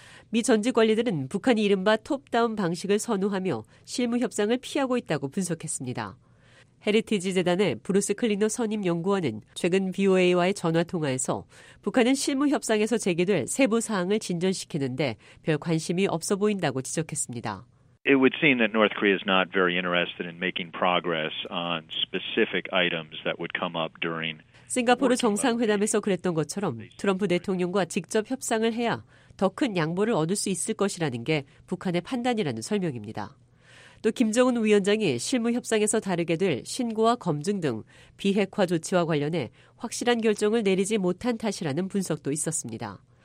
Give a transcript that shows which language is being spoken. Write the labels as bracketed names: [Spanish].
[Korean] 미 전직 관리들은 북한이 이른바 톱다운 방식을 선호하며 실무 협상을 피하고 있다고 분석했습니다. 헤리티지 재단의 브루스 클리너 선임 연구원은 최근 BOA와의 전화 통화에서 북한은 실무 협상에서 제기될 세부 사항을 진전시키는데 별 관심이 없어 보인다고 지적했습니다. [English] It would seem that North Korea is not very interested in making progress on specific items that would come up during [Korean] 싱가포르 정상회담에서 그랬던 것처럼 트럼프 대통령과 직접 협상을 해야 더 큰 양보를 얻을 수 있을 것이라는 게 북한의 판단이라는 설명입니다. 또 김정은 위원장이 실무 협상에서 다르게 될 신고와 검증 등 비핵화 조치와 관련해 확실한 결정을 내리지 못한 탓이라는 분석도 있었습니다.